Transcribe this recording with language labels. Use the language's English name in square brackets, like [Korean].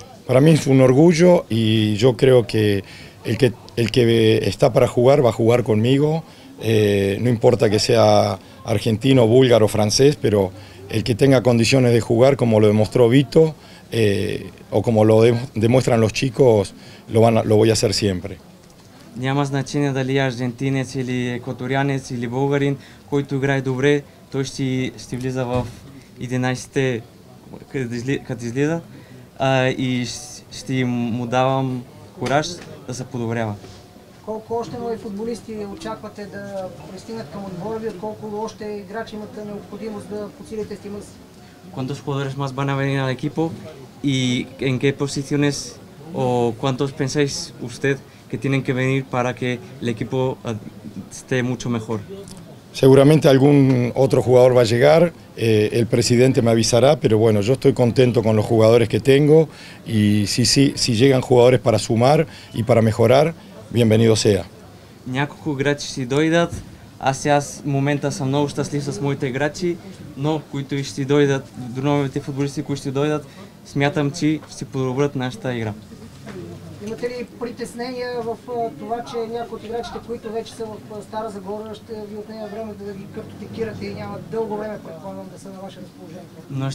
[Spanish] Para mí es un orgullo y yo creo que el que está para jugar va a jugar conmigo. No importa que sea argentino, búlgaro, francés, pero el que tenga condiciones de jugar, como lo demostró Vito, o como lo demuestran los chicos, lo voy a hacer siempre. [Bulgarian] Няма значение дали аргентинец или екваторианец или българин, който играе добре, той ще влиза в 11-те като излиза и ще му давам кураж да се подобрява. Колко още нови футболисти очаквате да пристигнат към отбора ви? Колко още играчи имате необходимост да подсилите тима си? [Spanish] Quantos jugadores más van a venir al equipo y en qué posiciones o cuántos pensáis usted que tienen que venir para que el equipo esté mucho mejor? Seguramente algún otro jugador va a llegar, el presidente me avisará, pero bueno, yo estoy contento con los jugadores que tengo y si llegan jugadores para sumar y para mejorar, bienvenido sea. [Bulgarian] Няколко играчи ще дойдат, аз сега в момента съм много щастлив с моите играчи, но които ще дойдат, новите футболисти, които ще дойдат, смятам, че ще подобрят нашата игра. Имате ли притеснения в това, че някои от играчите, които вече са в Стара Загора, ще ви отнеме време да ги картотекирате и няма дълго време, предполагам, да са на ваше разположение?